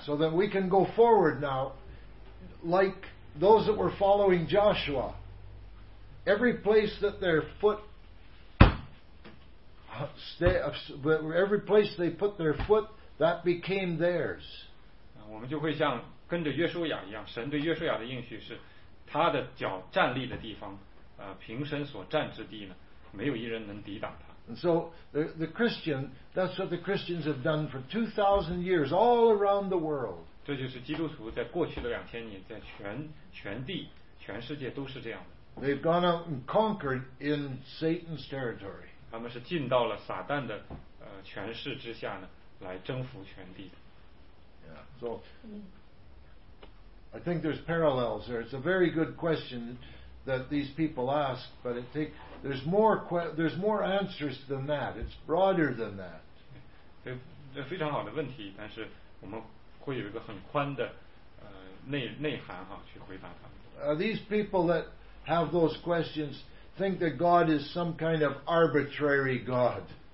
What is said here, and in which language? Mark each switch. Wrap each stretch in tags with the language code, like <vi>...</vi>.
<en>So that we can go forward now, like those that were following Joshua, every place that their foot, every place they put their foot, that became theirs.</en> <zh>我们就会像跟着约书亚一样，神对约书亚的应许是，他的脚站立的地方，平生所站之地呢，没有一人能抵挡他。</zh> <en>And so the Christian, that's what the Christians have done for 2,000 years all around the world.</en> <zh>这就是基督徒在过去的两千年，在全地、全世界都是这样的。</zh> <en>They've gone out and conquered in Satan's territory.</en> <zh>他们是进到了撒旦的权势之下呢，来征服全地的。</zh> <en>So, I think there's parallels there. It's a very good question that these people ask, but it takes, there's more answers than that. It's broader than that.</en> <zh>这非常好的问题，但是我们会有一个很宽的内涵哈，去回答他们。</zh> <en>These people that have those questions think that God is some kind of arbitrary God.</en>